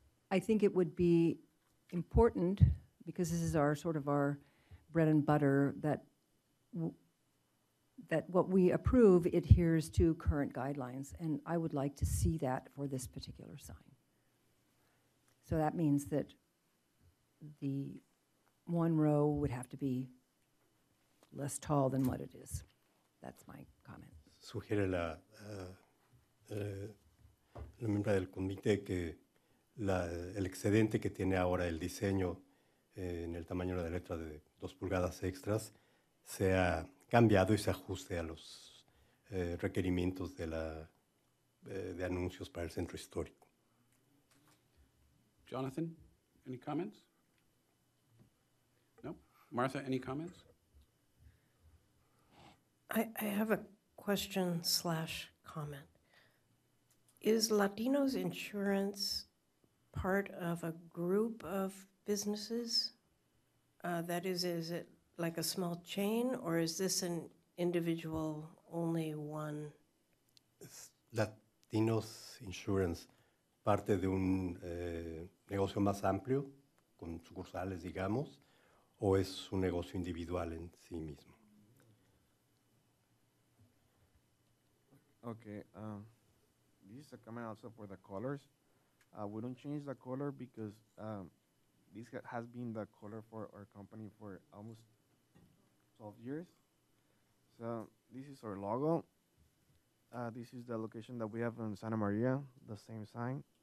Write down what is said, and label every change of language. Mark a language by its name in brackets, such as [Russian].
[English] I think it would be important, because this is our sort of our bread and butter, that that what we approve adheres to current guidelines, and I would like to see that for this particular sign. So that means that the one row would have to be less tall than what it is. That's my comment. [Spanish] Sugiere la la miembro del comité que el excedente que tiene ahora el diseño en el tamaño de la letra de 2 pulgadas extras se ha cambiado y se ajuste a los requerimientos de la de anuncios para el centro histórico. [English] Jonathan, any comments? No. Martha, any comments? I have a question slash comment. Is Latinos Insurance part of a group of businesses? That is it like a small chain, or is this an individual, only one? [Spanish] Latinos Insurance, parte de un negocio más amplio, con sucursales, digamos, o es un negocio individual en sí mismo? [English] Okay, this is a comment also for the colors. We don't change the color because this has been the color for our company for almost 12 years. So this is our logo. This is the location that we have in Santa Maria, the same sign.